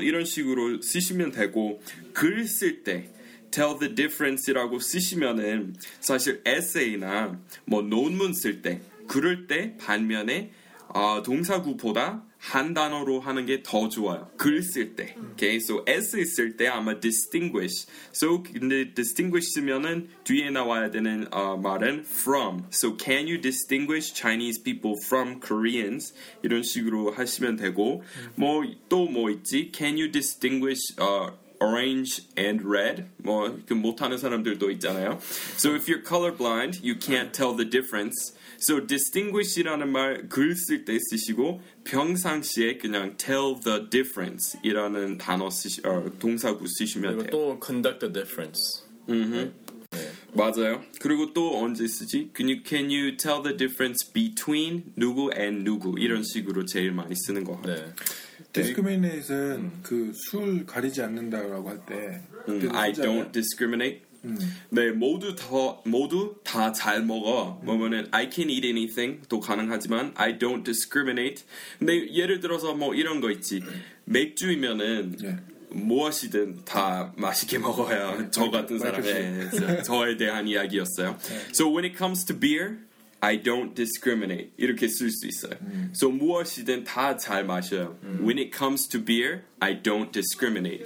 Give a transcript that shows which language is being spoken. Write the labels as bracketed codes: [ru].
[ko] 이런 식으로 쓰시면 되고 글 쓸 때 [en] tell the difference [ko] 이라고 쓰시면은 사실 에세이나 뭐 논문 쓸 때 그럴 때 반면에 동사구보다 한 단어로 하는 게 더 좋아요. 글 쓸 때. [en] Okay? [ko] So essay 쓸 때 아마 distinguish. So 근데 distinguish 쓰면은 뒤에 나와야 되는 말은 from. [en] So can you distinguish Chinese people from Koreans? [ko] 이런 식으로 하시면 되고 뭐 또 뭐 있지? [en] Can you distinguish orange and red? [ko] 뭐 그 못하는 사람들도 있잖아요. [en] So if you're colorblind, you can't tell the difference. [ko] So distinguish이라는 말 글 쓸 때 쓰시고 평상시에 그냥 [en] tell the difference [ko] 이라는 단어 쓰시, 동사구 쓰시면 그리고 그리고 또 [en] conduct the difference. [ko] 네. 맞아요. 그리고 또 언제 쓰지? [en] Can you tell the difference between 누구 and 누구? [ko] 이런 식으로 제일 많이 쓰는 것 같아요. 네. Discriminate은 그 술 가리지 않는다라고 할 때 [en] I don't discriminate. [ko] 네, 모두 다 잘 먹어. 그러면은 [en] I can eat anything도 [ko] 가능하지만 [en] I don't discriminate. [ko] 근데 예를 들어서 뭐 이런 거 있지. 맥주이면은 네. 무엇이든 다 맛있게 먹어요. 네, 저 같은 사람에 저에 대한 이야기였어요. 네. [en] So when it comes to beer, I don't discriminate. [ko] 이렇게 쓸 수 있어요. So 무엇이든 다 잘 마셔요. [en] When it comes to beer, I don't discriminate.